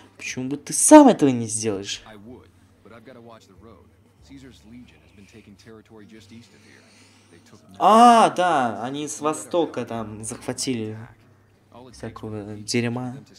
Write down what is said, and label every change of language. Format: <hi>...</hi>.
<ru>Почему бы ты сам этого не сделаешь?</ru> <en>I would, but I've got to watch the road. Caesar's Legion has been taking territory just east of here. They took.</en> <ru>А, да, они с востока там захватили всякого дерьма.</ru>